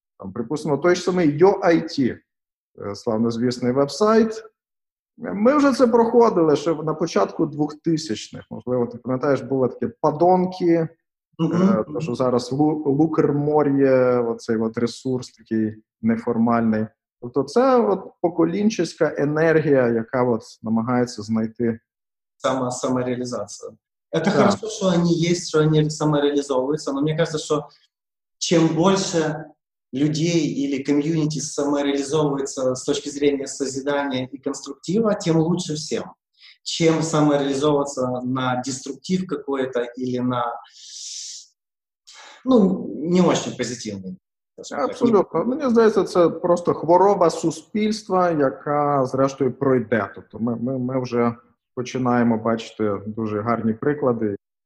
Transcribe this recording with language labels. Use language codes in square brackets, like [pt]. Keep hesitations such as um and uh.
[uk] Там, припустимо, той ж самий YoIT, е, славнозвісний вебсайт, ми вже це проходили ще на початку 2000-х. Можливо, ти пам'ятаєш, були такі падонки, Мгм. е, те, що зараз Лу- Лукермор'є, оцей от ресурс такий неформальний. Тобто, це от поколінчиська енергія, яка от намагається знайти. [ru] Сама, самореализация. Это Да. хорошо, что они есть, что они самореализовываются, но мне кажется, что чем больше людей или комьюнити самореализовывается с точки зрения созидания и конструктива, тем лучше всем. Чем самореализовываться на деструктив какой-то или на, ну, не очень позитивный. скажем так. Абсолютно. [uk] Мені здається, це просто хвороба суспільства, яка зрештою пройде. Тобто, ми, ми, ми вже починаємо бачити дуже гарні приклади.